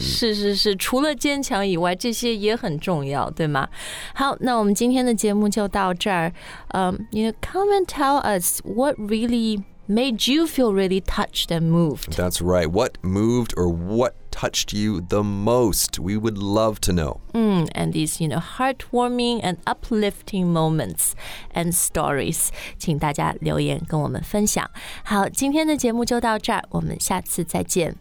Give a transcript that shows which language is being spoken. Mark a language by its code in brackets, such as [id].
[zh] 是是是，除了坚强以外，这些也很重要，对吗？好，那我们今天的节目就到这儿。 [en] You know, come and tell us what really made you feel really touched and moved. That's right. What moved or what touched you the most? We would love to know. And these, you know, heartwarming and uplifting moments and stories. [zh] 请大家留言跟我们分享。好，今天的节目就到这儿，我们下次再见。